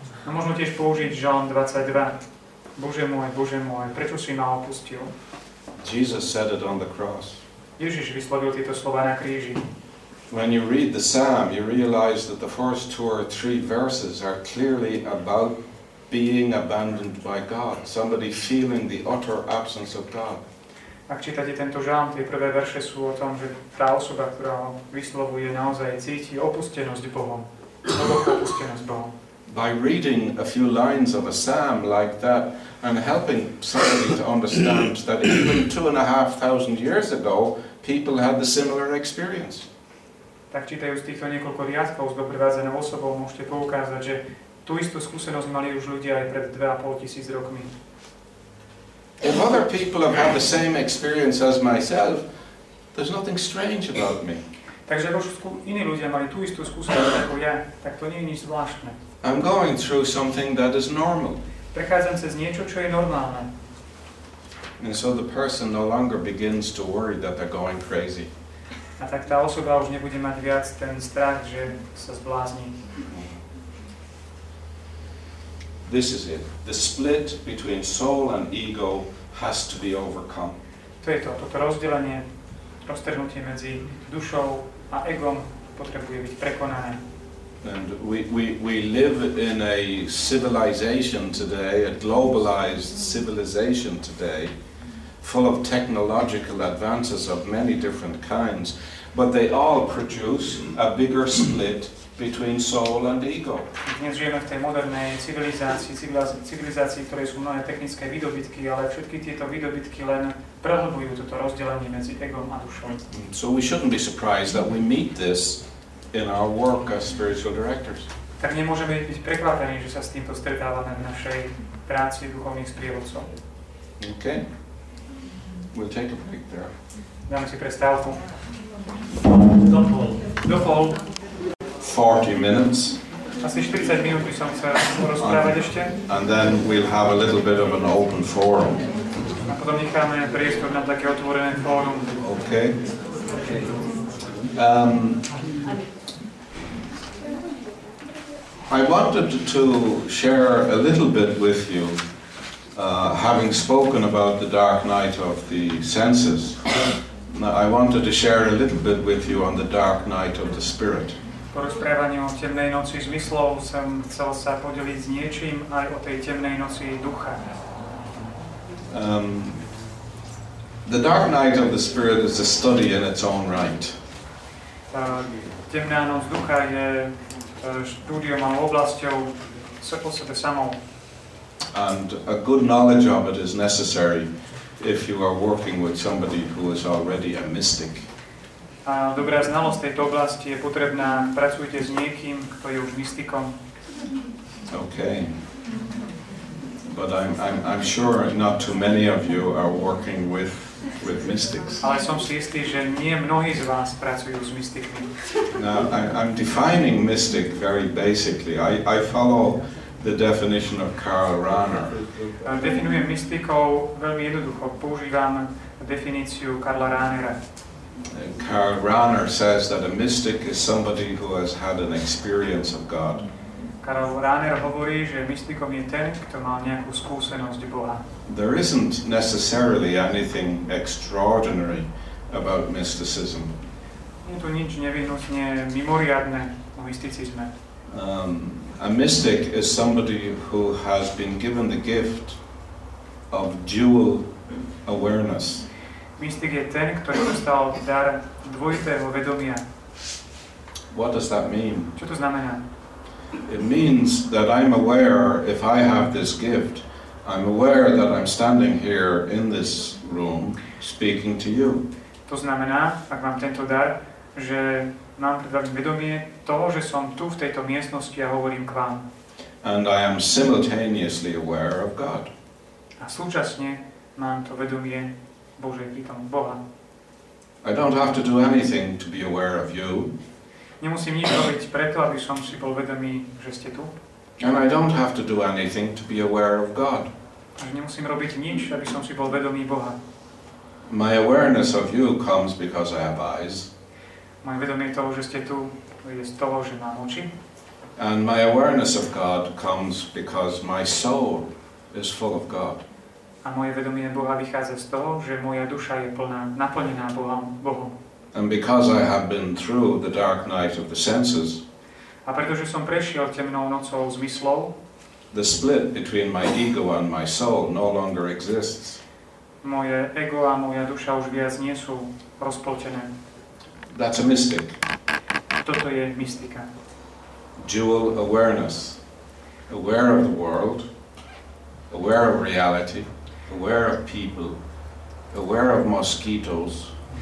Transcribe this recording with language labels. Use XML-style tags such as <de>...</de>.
<sk>A možno tiež použiť Žalm 22. Bože môj, prečo si ma opustil?</sk> <en>Jesus said it on the cross.</en> <sk>Ježiš vyslovil tieto slova na kríži.</sk> <en>When you read the psalm, you realize that the first two or three verses are clearly about being abandoned by God, somebody feeling the utter absence of God.</en> <sk>Ak čítate tento žalm, tie prvé verše sú o tom, že tá osoba, ktorá ho vyslovuje, naozaj cíti opustenosť Bohom. Opustenosť Bohom.</sk> <en>By reading a few lines of a psalm like that, I'm helping somebody to understand that even 2,500 years ago, people had the similar experience.</en> <sk>Tak čítajúc týchto niekoľko riadkov s doprevádzanou osobou, môžete poukázať, že tú istú skúsenosť mali už ľudia aj pred 2,500 rokmi.</sk> <en>If other people have had the same experience as myself, there's nothing strange about me.</en> <sk>Takže iní ľudia mali tú istú skúsenosť ako ja, tak to nie je nič zvláštne.</sk> <en>I'm going through something that is normal.</en> <sk>Prechádzam cez niečo, čo je normálne.</sk> <en>And so the person no longer begins to worry that they're going crazy.</en> <sk>A tak tá osoba už nebude mať viac ten strach, že sa zblázni.</sk> <en>This is it. The split between soul and ego has to be overcome.</en> <sk>To je to, toto rozdelenie, roztrhnutie medzi dušou a egom potrebuje byť prekonané.</sk> <en>And we live in a civilization today, a globalized civilization today, full of technological advances of many different kinds, but they all produce a bigger split between soul and ego.</en> <sk>Dnes žijeme v tej modernej civilizácii, ktorej sú mnohé technické výdobytky, ale všetky tieto výdobytky len prehlbujú toto rozdelenie medzi egom a dušou.</sk> <en>So we shouldn't be surprised that we meet this in our work as spiritual directors.</en> <sk>Tak nemôžeme byť prekvapení, že sa s týmto stretávame v našej práci duchovných sprievodcov.</sk> <en>Okay. We'll take a break there.</en> <sk>Dáme si prestávku. Do pol.</sk> <en>40 minutes.</en> <sk>Asi 40 minút by som chcel rozprávať ešte.</sk> <en>And then we'll have a little bit of an open forum.</en> <sk>A potom necháme priestor na také otvorené fórum.</sk> <en>Okay. I wanted to share a little bit with you Having spoken about the dark night of the senses, I wanted to share a little bit with you on the dark night of the spirit.</en> <sk>Po rozprávaní o temnej noci zmyslov som chcel sa podeliť s niečím aj o tej temnej noci ducha.</sk> <en>The dark night of the spirit is a study in its own right.</en> <sk>Temná noc ducha je štúdium a oblasťou sa po sebe samou.</sk> <en>And a good knowledge of it is necessary if you are working with somebody who is already a mystic.</en> <sk>A dobrá znalosť tejto oblasti je potrebná, pracujte s niekým, kto je už mystikom.</sk> <en>Okay. But I'm sure not too many of you are working with mystics.</en> <sk>Ale som si istý, že nie mnohí z vás pracujú s mystikmi.</sk> <en>Now, I'm defining mystic very basically. I follow the definition of Karl Rahner.</en> <sk>Definujem mystikov veľmi jednoducho. Používam definíciu Karla Rahnera.</sk> <en>Karl Rahner says that a mystic is somebody who has had an experience of God.</en> <sk>Karl Rahner hovorí, že mystikom je ten, kto mal nejakú skúsenosť Boha.</sk> <en>There isn't necessarily anything extraordinary about mysticism.</en> <sk>Nie je to nič nevyhnutne mimoriadne o mysticizme.</sk> <en>A mystic is somebody who has been given the gift of dual awareness.</en> <sk>Mystik je ten, ktorý dostal dar dvojitého vedomia.</sk> <en>What does that mean?</en> <sk>Čo to znamená?</sk> <en>It means that I'm aware, if I have this gift, I'm aware that I'm standing here in this room speaking to you.</en> <sk>To znamená, ak mám tento dar, že mám pred vami vedomie toho, že som tu v tejto miestnosti a hovorím k vám.</sk> <en>And I am simultaneously aware of God.</en> <sk>A súčasne mám to vedomie Božej prítomnosti Boha.</sk> <en>I don't have to do anything to be aware of you.</en> <sk>Nemusím nič robiť preto, aby som si bol vedomý, že ste tu.</sk> <en>And I don't have to do anything to be aware of God.</en> <sk>A nemusím robiť nič, aby som si bol vedomý Boha.</sk> <en>My awareness of you comes because I have eyes.</en> <sk>Moje vedomie toho, že ste tu, je z toho, že mám oči.</sk> <en>And my awareness of God comes because my soul is full of God.</en> <sk>A moje vedomie Boha vychádza z toho, že moja duša je plná, naplnená Bohom.</sk> <en>And because I have been through the dark night of the senses.</en> <sk>A pretože som prešiel temnou nocou zmyslov.</sk> <en>The split between my ego and my soul no longer exists.</en> <sk>Moje ego a moja duša už viac nie sú rozpoltené.</sk> <en>That's a mystic.</en> <sk>Toto je mystika.</sk> <en>Dual awareness. Aware of the world, aware of reality, aware of people, aware of mosquitoes.</en>